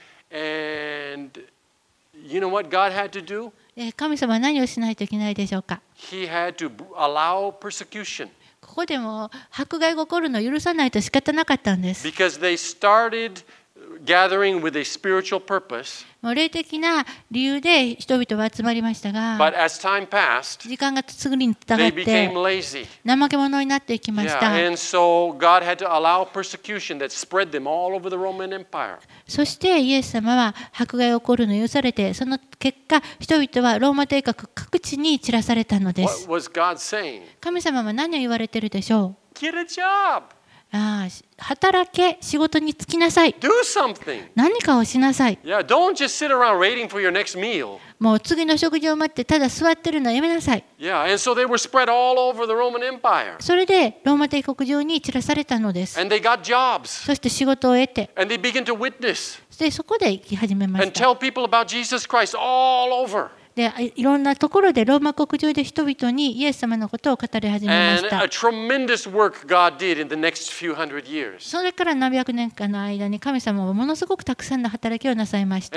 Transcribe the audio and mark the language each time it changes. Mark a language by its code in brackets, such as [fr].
[en] And you know what God had to do? [ja] 神様は何をしないといけないでしょうか。 [en] He had to allow persecution. [ja] ここでも迫害が起こるのを許さないと仕方なかったんです。 [en] Because they started gathering with a spiritual purpose. [ja] もう霊的な理由で人々は集まりましたが、 [en] But as time passed, [ja] 時間が過ぎたがって、 [en] they became lazy. [ja] 怠け者になっていきました。 [en] Yeah, and so God had to allow persecution that spread them all over the Roman Empire. [ja] そしてイエス様は迫害が起こるのを許されて、その結果人々はローマ帝国各地に散らされたのです。神様は何を言われているでしょう。 [en] Get a job. [ja] ああ働け、仕事に就きなさい。 [en] Do something. [ja] 何かをしなさい。 [en] Yeah, don't just sit around waiting for your next meal. [ja] もう次の食事を待ってただ座ってるのやめなさい。 [en] Yeah, and so they were spread all over the Roman Empire. [ja] それでローマ帝国中に散らされたのです。 [en] And they got jobs. [ja] そして仕事を得て、 [en] And they began to witness. [ja] でそこで生き始めました。 [en] And tell people about Jesus Christ all over. [ja] で、いろんなところでローマ国中で人々にイエス様のことを語り始めました。 [en] And a tremendous work God did in the next few hundred years. [ja] それから何百年間の間に神様はものすごくたくさんの働きをなさいました。